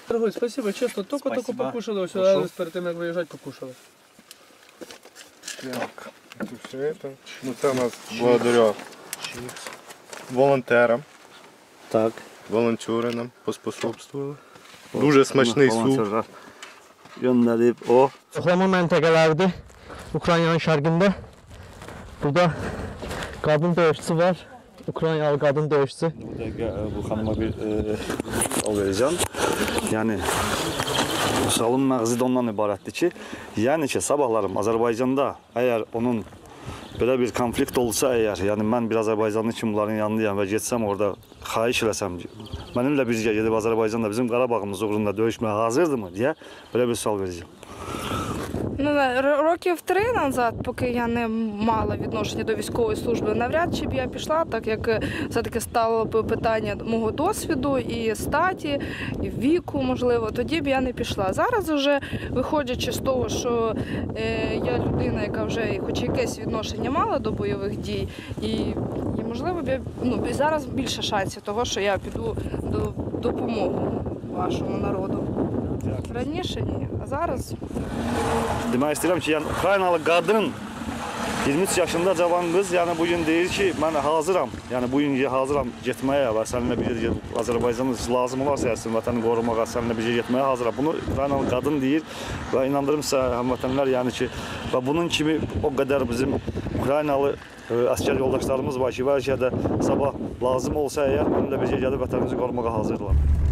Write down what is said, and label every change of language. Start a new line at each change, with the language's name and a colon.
Russian: Дорогой, спасибо, честно, только-только покушали, вот сюда перед тем, как выезжать, покушали. Так. Это все это. Ну, это у нас благодаря волонтерам. Так. Волонтеры нам поспособствовали.
Ukrainian: Дуже смачный суп. Gönderip o.
Azerbaijani: Çoxlama məntəqələrdir Ukraynanın şərqində. Burada qadın döyüşçü var. Ukraynalı qadın döyüşçü. Bu xanıma bir o verəcəm. Yəni Şalın məğzi də ondan ibarətdir ki, yəni ki, sabahlarım Azərbaycanda əgər onun belə bir konflikt olsa əgər, yəni mən bir Azərbaycanlı kimi bunların yanındayım və getsəm orada xahiş eləsəm, mənimlə bir yerə gedib Azərbaycanda bizim Qarabağımız uğrunda döyüşməyə hazırdırmı deyə belə bir sual verəcəm.
Ukrainian: Ну, років три назад, поки я не мала відношення до військової служби, навряд чи б я пішла, так як все-таки стало б питання мого досвіду і статі, і віку, можливо, тоді б я не пішла. Зараз вже, виходячи з того, що я людина, яка вже хоч якесь відношення мала до бойових дій, і можливо, б я, ну, зараз більше шансів того, що я піду до допомоги вашому народу. Раніше ні, а зараз.
Azerbaijani: Demək istəyirəm ki, yəni Ukraynalı qadın 23 yaşında cavan qız, yəni bu gün deyir ki, mən hazıram. Yəni bu gün hazıram getməyə və səninlə bir yerə Azərbaycan üçün lazım olarsa, sizin vətəni qorumağa, səninlə bir yerə getməyə hazıram. Bunu Ukraynalı qadın deyir və inandırım sizə həmvətənlər, yəni ki, və bunun kimi o qədər bizim Ukraynalı əsgər yoldaşlarımız var ki, bəlkə də sabah lazım olsa, əgər mənimlə bir yerə gəlib vətənimizi qorumağa hazırlar.